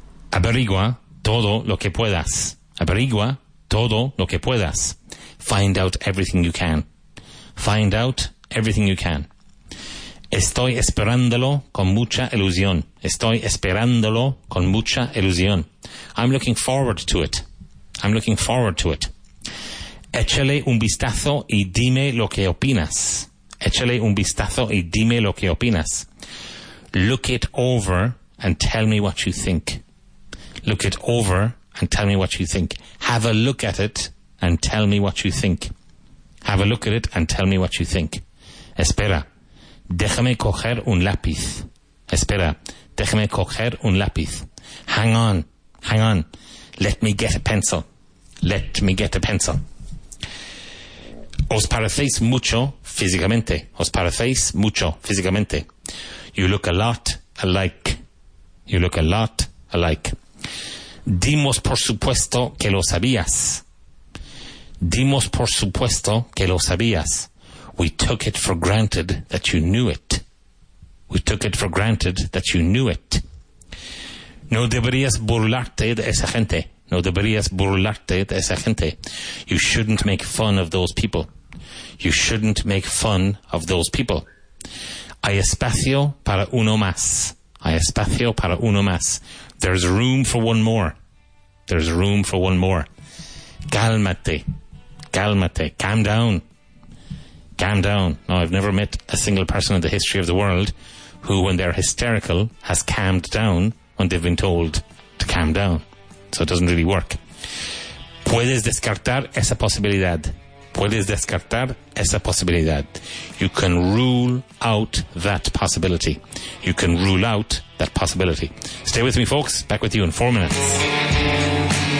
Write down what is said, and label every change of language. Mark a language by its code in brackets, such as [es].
[es] Averigua todo lo que puedas. Averigua todo lo que puedas. [en] Find out everything you can. Find out everything you can. [es] Estoy esperándolo con mucha ilusión. Estoy esperándolo con mucha ilusión. [en] I'm looking forward to it. I'm looking forward to it. [es] Échale un vistazo y dime lo que opinas. Échale un vistazo y dime lo que opinas. [en] Look it over and tell me what you think. Look it over and tell me what you think. Have a look at it and tell me what you think. Have a look at it and tell me what you think. [es] Espera. Déjame coger un lápiz. Espera. Déjame coger un lápiz. [en] Hang on. Hang on. Let me get a pencil. Let me get a pencil. [es] Os parecéis mucho físicamente. Os parecéis mucho físicamente. [en] You look a lot alike. You look a lot alike. [es] Dimos por supuesto que lo sabías. Dimos por supuesto que lo sabías. [en] We took it for granted that you knew it. We took it for granted that you knew it. [es] No deberías burlarte de esa gente. No deberías burlarte de esa gente. [en] You shouldn't make fun of those people. You shouldn't make fun of those people. [es] Hay espacio para uno más. Hay espacio para uno más. [en] There's room for one more. There's room for one more. [es] Cálmate. Cálmate. [en] Calm down. Calm down. Now, I've never met a single person in the history of the world who, when they're hysterical, has calmed down when they've been told to calm down. So it doesn't really work. [es] Puedes descartar esa posibilidad. Puedes descartar esa posibilidad. [en] You can rule out that possibility. You can rule out that possibility. Stay with me, folks. Back with you in 4 minutes.